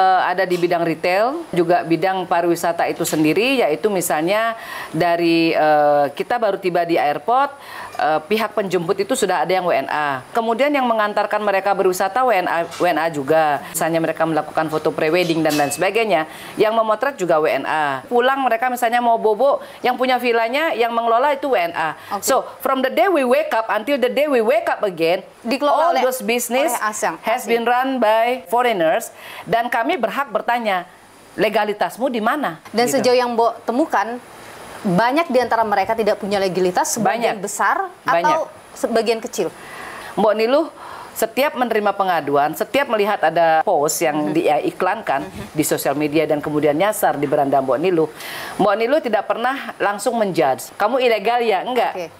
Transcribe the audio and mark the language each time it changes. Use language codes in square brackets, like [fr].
[id] Ada di bidang retail, juga bidang pariwisata itu sendiri, yaitu misalnya dari kita baru tiba di airport. Pihak penjemput itu sudah ada yang WNA. Kemudian yang mengantarkan mereka berwisata WNA juga. Misalnya mereka melakukan foto pre-wedding dan lain sebagainya. Yang memotret juga WNA. Pulang mereka misalnya mau bobo, yang punya villanya, yang mengelola itu WNA. Okay. [en] So, from the day we wake up until the day we wake up again, [id] dikelola [en] all those business [id] asing. [en] Has been run by foreigners. [id] Dan kami berhak bertanya, legalitasmu di mana? Dan gitu. Sejauh yang Mbok temukan, banyak di antara mereka tidak punya legalitas, sebagian besar atau sebagian kecil. Mbok Niluh, setiap menerima pengaduan, setiap melihat ada post yang diiklankan di sosial media dan kemudian nyasar di beranda Mbok Niluh, Mbok Niluh tidak pernah langsung menjudge. Kamu ilegal ya? Enggak. Okay.